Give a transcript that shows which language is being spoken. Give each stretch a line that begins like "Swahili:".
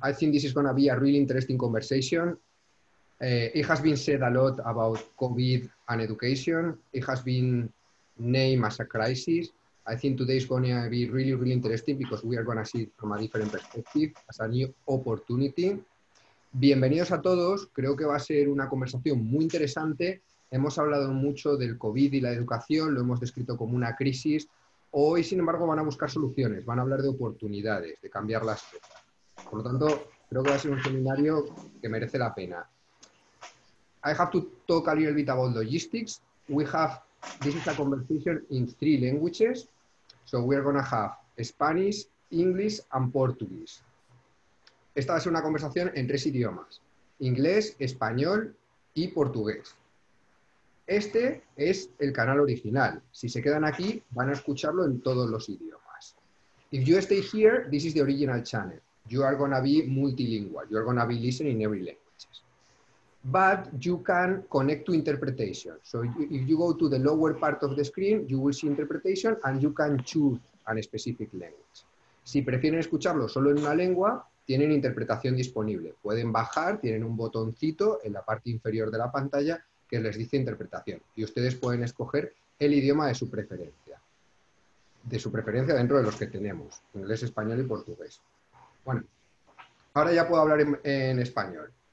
English: I think this is going to be a really interesting conversation. It has been said a lot about COVID and education. It has been named as a crisis. I think today is going to be really, really interesting because we are going to see it from a different perspective, as a new opportunity.
Spanish: Bienvenidos a todos. Creo que va a ser una conversación muy interesante. Hemos hablado mucho del COVID y la educación, lo hemos descrito como una crisis. Hoy, sin embargo, van a buscar soluciones, van a hablar de oportunidades, de cambiar las cosas. Por lo tanto, creo que va a ser un seminario que merece la pena.
English: I have to talk a little bit about logistics. We have, this is a conversation in three languages. So we are going to have Spanish, English and Portuguese.
Spanish: Esta va a ser una conversación en tres idiomas. Inglés, español y portugués. Este es el canal original. Si se quedan aquí, van a escucharlo en todos los idiomas.
English: If you stay here, this is the original channel. You are going to be multilingual. You are going to be listening in every language. But you can connect to interpretation. So if you go to the lower part of the screen, you will see interpretation and you can choose a specific language.
Spanish: Si prefieren escucharlo solo en una lengua, tienen interpretación disponible. Pueden bajar, tienen un botoncito en la parte inferior de la pantalla que les dice interpretación. Y ustedes pueden escoger el idioma de su preferencia. De su preferencia dentro de los que tenemos. Inglés, español y portugués. Bueno, ahora ya puedo hablar en español.